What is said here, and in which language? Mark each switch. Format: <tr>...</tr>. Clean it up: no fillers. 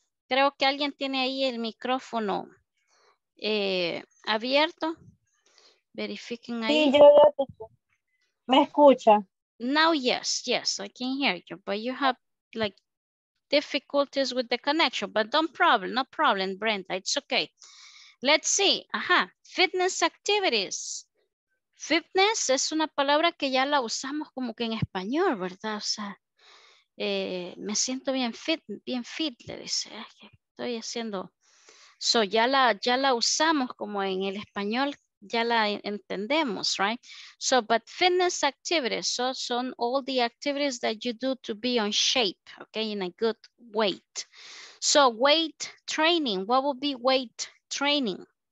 <es>Creo que alguien tiene ahí el micrófono abierto. Verifiquen ahí. Sí, yo me escucha.</es> <en>Now, yes, I can hear you, but you have like difficulties with the connection, but no problem, Brenda, it's okay. Let's see, fitness activities.</en> <es>Fitness es una palabra que ya la usamos como que en español, ¿verdad? O sea, me siento bien fit, le dice, estoy haciendo. So ya la usamos como en el español, ya la entendemos, right?</es> <en>So, but fitness activities, so son all the activities that you do to be on shape, okay, in a good weight. So weight training, what would be weight training?</en>